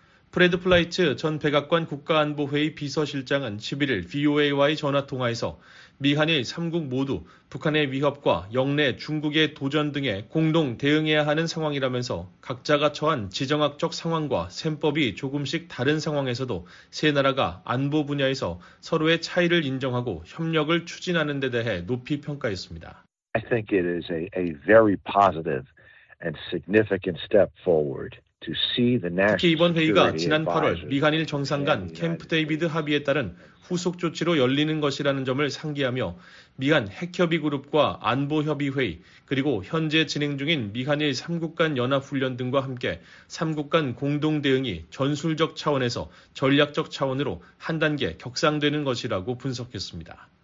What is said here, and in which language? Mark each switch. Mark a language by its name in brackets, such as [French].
[Korean] 프레드 플라이츠 전 백악관 국가안보회의 비서실장은 11일 VOA와의 전화통화에서 미한일 3국 모두 북한의 위협과 영내 중국의 도전 등에 공동 대응해야 하는 상황이라면서 각자가 처한 지정학적 상황과 셈법이 조금씩 다른 상황에서도 세 나라가 안보 분야에서 서로의 차이를 인정하고 협력을 추진하는 데 대해 높이 평가했습니다. [English] I think it is a very positive and significant step forward. [Korean] 특히 이번 회의가 지난 8월 미한일 정상 간 캠프 데이비드 합의에 따른 후속 조치로 열리는 것이라는 점을 상기하며 미한 핵협의 그룹과 안보협의 회의 그리고 현재 진행 중인 미한일 3국 간 연합훈련 등과 함께 3국 간 공동 대응이 전술적 차원에서 전략적 차원으로 한 단계 격상되는 것이라고 분석했습니다.